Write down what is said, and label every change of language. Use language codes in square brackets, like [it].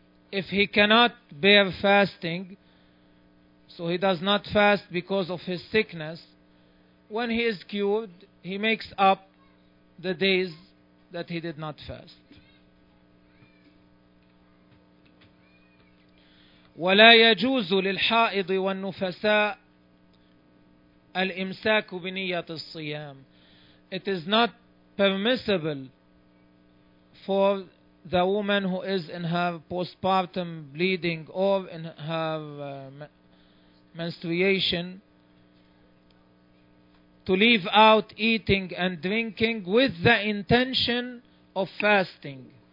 [en] If he cannot bear fasting, so he does not fast because of his sickness, when he is cured, he makes up the days that he did not fast. [ar] ولا يجوز للحائض والنفساء الإمساك بنية الصيام. [en] It is not permissible for the woman who is in her postpartum bleeding or in her menstruation to leave out eating and drinking with the intention of fasting.